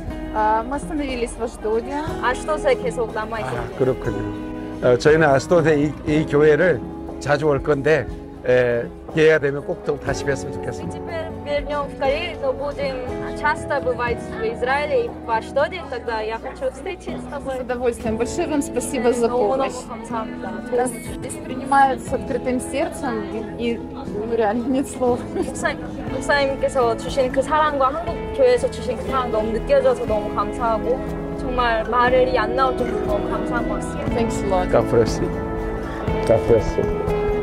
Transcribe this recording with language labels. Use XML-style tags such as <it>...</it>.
<ru>Мы остановились в Аштоде.</ru> <ko>Аштоде 계속 남아있어요. 아, 그렇군요. 저희는 아스토드에 이 교회를 자주 올 건데 기회가 되면 꼭 또 다시 뵙으면 좋겠습니다.</ko> <ru>Мы теперь вернем в Корею, но будем часто бывать в Израиле и в Аштоде, тогда я хочу встретиться с тобой. С удовольствием. Большое вам спасибо за помощь. Нас здесь принимают с открытым сердцем и реально нет слов.</ru> <ko>목사님께서 주신 그 사랑과 한국 교회에서 주신 그 사랑 너무 느껴져서 너무 감사하고 정말 말이 안 나올 정도로 너무 감사한 것 같습니다.</ko> <en>Thanks a lot. God bless you. God bless you.</en>